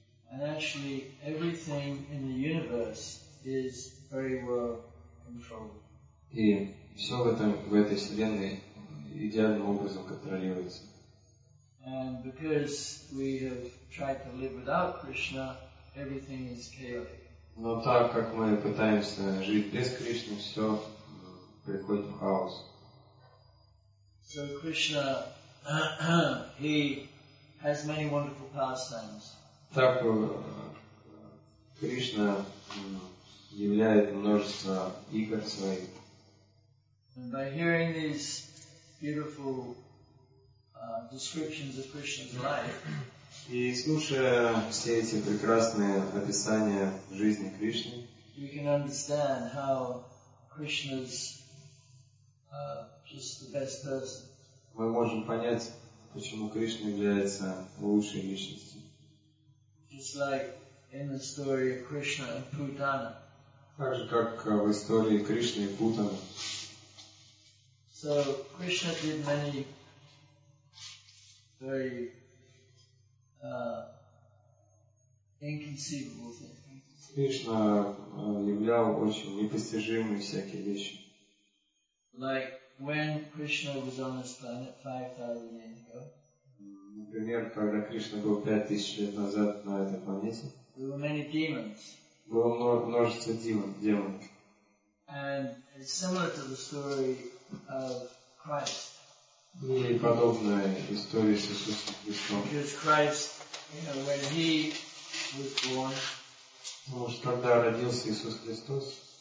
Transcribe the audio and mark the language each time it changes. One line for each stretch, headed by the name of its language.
English: And actually, everything in the universe is very well controlled.
Russian: И все в этом, в этой вселенной идеальным образом контролируется.
English: And because we have tried to live without Krishna, everything is chaotic.
Russian: Но так как мы пытаемся жить без Кришны, все приходит в хаос.
English: So Krishna, he has many wonderful pastimes.
Russian: Так Кришна являет множество игр своих.
English: And by hearing these beautiful descriptions of Krishna's life,
Russian: и слушая все эти прекрасные описания жизни Кришны,
English: we can understand how Krishna's just the best person.
Russian: Мы можем понять, почему Кришна является лучшей личностью.
English: Just like in the story of Krishna and Putana.
Russian: Так же, как в истории Кришны и Путаны.
English: So Krishna did many very inconceivable things.
Russian: Кришна являл очень непостижимые всякие вещи.
English: Like when Krishna was on this planet 5,000 years ago.
Russian: Например, когда Кришна был 5000 лет назад на этой планете,
English: there were many demons.
Russian: Было множество демонов.
English: And it's similar to the story of Christ.
Russian: И подобная история с Иисусом Христом.
English: Because Christ, you know, when he was born,
Russian: потому что когда родился Иисус Христос,